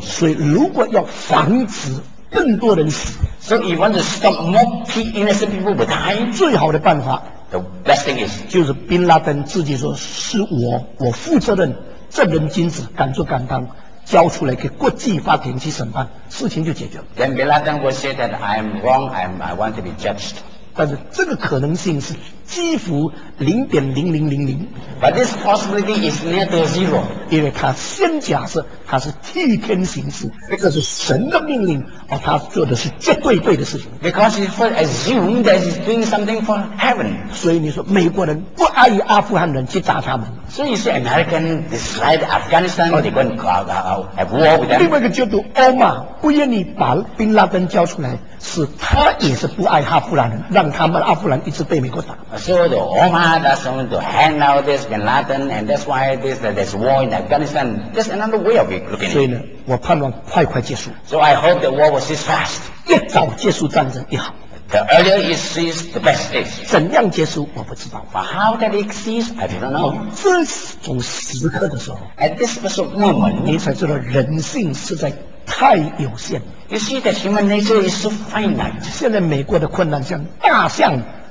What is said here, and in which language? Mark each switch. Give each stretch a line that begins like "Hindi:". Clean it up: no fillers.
Chinese: 所以如果要防止更多人死
English: ，So if you want to stop more innocent people from dying,
Chinese: 最好的办法
English: ，The best thing is
Chinese: 就是宾拉登自己说是我负责任，正人君子，敢做敢当。交出来给国际法庭去审判，事情就解决了。
English: Then Bin Laden will say that I'm wrong, I want to be judged.
Chinese: 但是这个可能性是几乎0.0000。
English: But this possibility is near to zero.
Chinese: 因为他先假设他是替天行事，这是神的命令，而他做的是绝对对的事情。
English: Because he first assumed that he's doing something for heaven.
Chinese: 所以你说美国人不爱于阿富汗人去打他们。
English: So you see, American dislike Afghanistan, they go and have war with them.
Chinese: 另外一个角度，奥巴马不愿意把宾拉登交出来，是他也是不爱阿富汗人，让他们阿富汗一直被美国打。
English: So the Omar doesn't want to hand out this Bin Laden, and that's why there's war in Afghanistan. That's another way of looking at it.
Chinese: 所以呢，我盼望快快结束。
English: So I hope the war will cease fast.
Chinese: 越早结束战争越好。
English: The earlier it ceases, the best is.
Chinese: 怎样结束我不知道。
English: But how can it cease? I don't know.
Chinese: 这种时刻的时候
English: ，at this special moment,
Chinese: 你才知道人性实在太有限了。
English: You see that human nature is so finite.
Chinese: 现在美国的困难像大象。